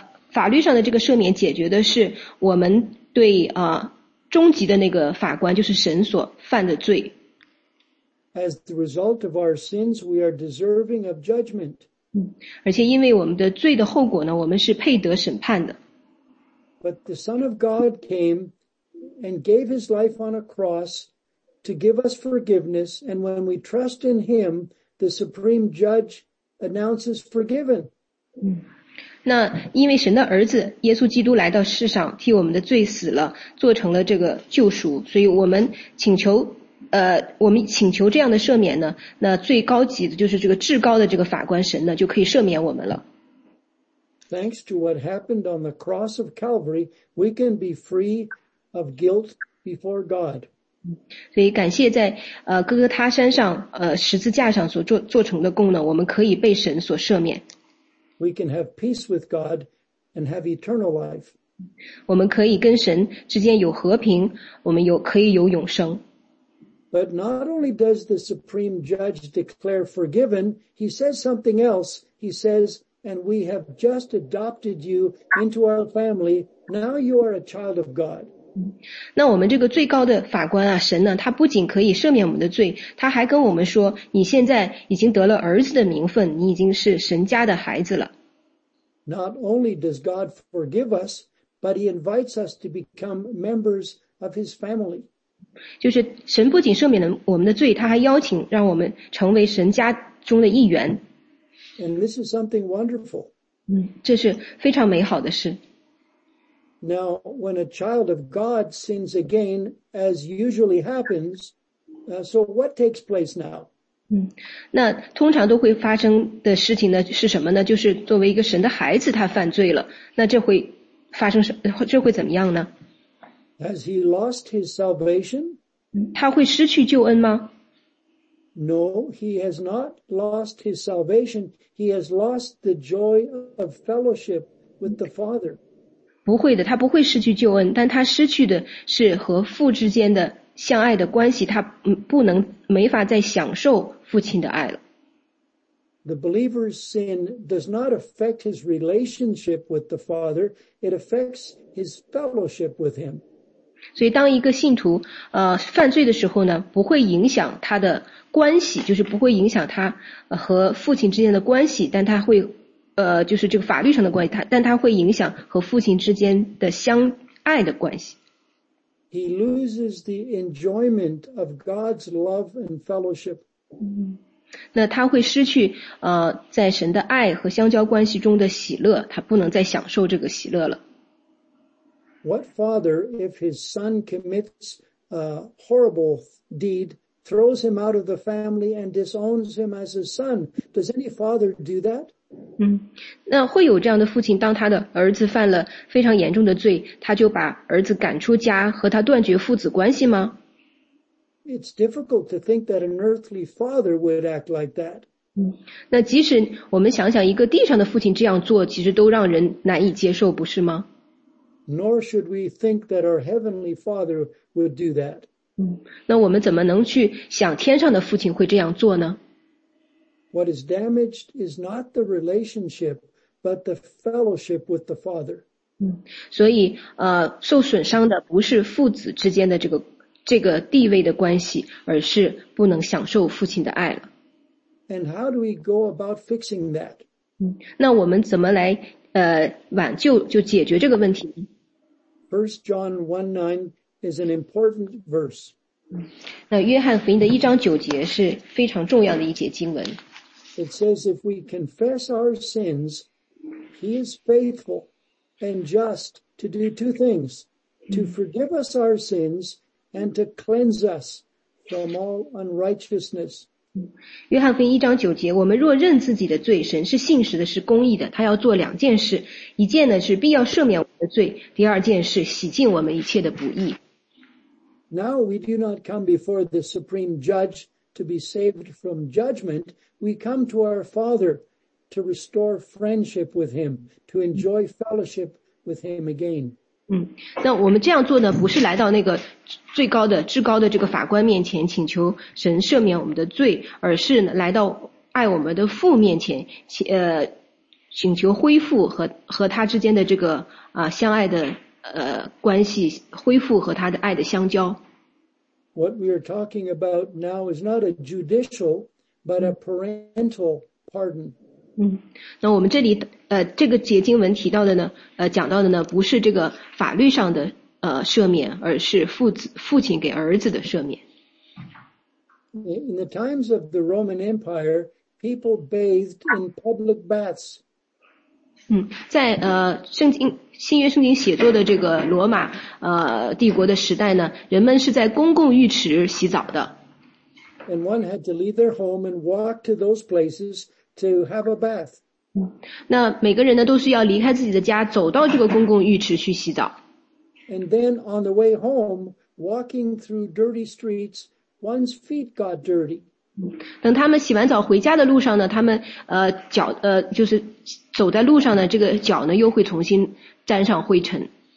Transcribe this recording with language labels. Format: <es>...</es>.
<zh>法律上的这个赦免解决的是我们对终极的那个法官，就是神所犯的罪。</zh> <en>As the result of our sins, we are deserving of judgment.</en> <zh>而且因为我们的罪的后果呢，我们是配得审判的。</zh> <en>But the Son of God came and gave his life on a cross to give us forgiveness, and when we trust in him, the supreme judge announces forgiven.</en> <zh>那因为神的儿子耶稣基督来到世上，替我们的罪死了，做成了这个救赎，所以我们请求这样的赦免呢，那最高级的就是这个至高的这个法官神呢，就可以赦免我们了。</zh> <en>Thanks to what happened on the cross of Calvary, we can be free of guilt before God.</en> <zh>所以感谢在哥哥他山上十字架上所做成的功呢，我们可以被神所赦免。</zh> <en>We can have peace with God and have eternal life.</en> <zh>我们可以跟神之间有和平，我们可以有永生。</zh> <en>But not only does the supreme judge declare forgiven, he says something else. He says, and we have just adopted you into our family. Now you are a child of God.</en> <zh>那我们这个最高的法官啊，神呢，他不仅可以赦免我们的罪，他还跟我们说，你现在已经得了儿子的名分，你已经是神家的孩子了。</zh> <en>Not only does God forgive us, but he invites us to become members of his family.</en> <zh>就是神不仅赦免了我们的罪，他还邀请让我们成为神家中的一员。</zh> <en>And this is something wonderful.</en> <zh>这是非常美好的事。</zh> <en>Now, when a child of God sins again, as usually happens, so what takes place now?</en> <zh>那通常都会发生的事情呢，是什么呢？就是作为一个神的孩子，他犯罪了。那这会发生什？这会怎么样呢？</zh> <en>Has he lost his salvation?</en> <zh>他会失去救恩吗？</zh> <en>No, he has not lost his salvation. He has lost the joy of fellowship with the Father.</en> <zh>不会的，他不会失去救恩，但他失去的是和父之间的相爱的关系，他不能没法再享受父亲的爱了。</zh> <en>The believer's sin does not affect his relationship with the Father, it affects his fellowship with him.</en> <zh>所以当一个信徒犯罪的时候呢，不会影响他的关系，就是不会影响他和父亲之间的关系，但他会就是这个法律上的关系，但他会影响和父亲之间的相爱的关系。</zh> <en>He loses the enjoyment of God's love and fellowship.</en> <zh>那他会失去在神的爱和相交关系中的喜乐，他不能再享受这个喜乐了。</zh> <en>What father, if his son commits a horrible deed, throws him out of the family and disowns him as his son? Does any father do that?</en> <zh>那会有这样的父亲，当他的儿子犯了非常严重的罪，他就把儿子赶出家，和他断绝父子关系吗？</zh> <en>It's difficult to think that an earthly father would act like that.</en> <zh>那即使我们想想一个地上的父亲这样做，其实都让人难以接受，不是吗？</zh> <en>Nor should we think that our heavenly father would do that.</en> <zh>那我们怎么能去想天上的父亲会这样做呢？</zh> <en>What is damaged is not the relationship, but the fellowship with the Father.</en> <zh>所以受损伤的不是父子之间的这个地位的关系，而是不能享受父亲的爱了。</zh> <en>And how do we go about fixing that?</en> <zh>那我们怎么来挽救就解决这个问题呢？</zh> <en>1 John 1:9 is an important verse.</en> <zh>那约翰福音的1:9是非常重要的一节经文。</zh> <en>It says, if we confess our sins, he is faithful and just to do two things, to forgive us our sins and to cleanse us from all unrighteousness.</en> <zh>约翰福音1:9，我们若认自己的罪，神是信实的，是公义的，他要做两件事，一件呢是必要赦免我们的罪，第二件是洗净我们一切的不义。</zh> <en>Now we do not come before the supreme judge to be saved from judgment, we come to our Father to restore friendship with him, to enjoy fellowship with him again.</en> <zh>那我们这样做呢，不是来到那个最高的至高的这个法官面前请求神赦免我们的罪，而是来到爱我们的父面前请求恢复和他之间的这个相爱的关系，恢复和他的爱的相交。</zh> <en>What we are talking about now is not a judicial, but a parental pardon.</en> <zh>那我们这里这个节经文提到的呢，讲到的呢，不是这个法律上的赦免，而是父亲给儿子的赦免。</zh> <en>In the times of the Roman Empire, people bathed in public baths.</en> <zh>在新约圣经写作的这个罗马帝国的时代呢，人们是在公共浴池洗澡的。</zh> <en>And one had to leave their home and walk to those places to have a bath.</en> <zh>那每个人呢都是要离开自己的家，走到这个公共浴池去洗澡。</zh> <en>And then on the way home, walking through dirty streets, one's feet got dirty.</en> <zh>等他们洗完澡回家的路上呢，他们脚就是走在路上呢，这个脚呢又会重新沾上灰尘。</zh>